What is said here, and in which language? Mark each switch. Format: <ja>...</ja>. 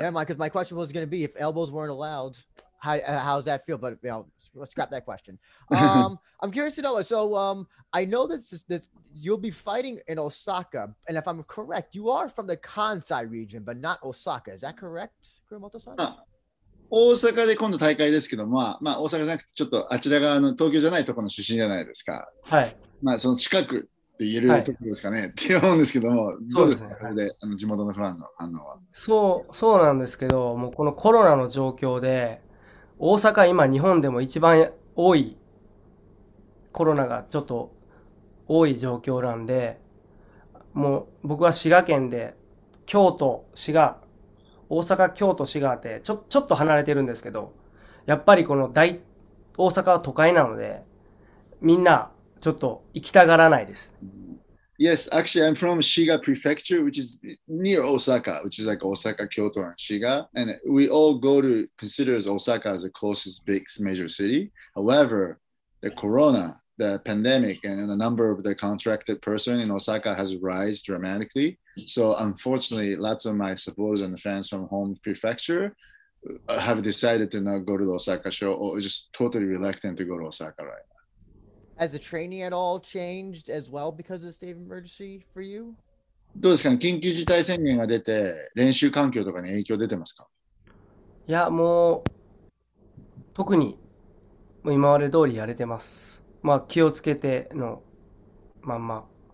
<en>Never mind, because my question was going to be if elbows weren't allowed, how does that feel? But let's scrap that question. I'm curious to know. So I know this you'll be fighting in Osaka, and if I'm correct, you are from the Kansai region, but not Osaka. Is that correct, Kurumoto-san?</en> <ja>大阪で今度大会ですけど、まあ大阪じゃなくて、ちょっとあちら側の東京じゃないところの出身じゃないですか。まあその近くって言えるところですかねって思うんですけども、どうですか、それで地元のファンの反応は。そうなんですけど、もうこのコロナの状況で、大阪、今、日本でも一番多い、コロナがちょっと多い状況なんで、もう僕は滋賀県で、京都、滋賀、大阪、京都、滋賀って、ちょっと離れてるんですけど、やっぱりこの大阪は都会なので、みんな、ちょっと行きたがらないです。</ja> <en>Yes, actually, I'm from Shiga Prefecture, which is near Osaka, which is like Osaka, Kyoto, and Shiga. And we all go to consider Osaka as the closest big major city. However, the corona, the pandemic, and the number of the contracted person in Osaka has risen dramatically. So, unfortunately, lots of my supporters and fans from home prefecture have decided to not go to the Osaka show or just totally reluctant to go to Osaka right now. Has the training at all changed as well because of the state of emergency for you?</en> <ja>どうですかね、緊急事態宣言が出て、練習環境とかに影響出てますか？いや、もう、特に、もう今まで通りやれてます。まあ、気をつけてのまんま。</ja>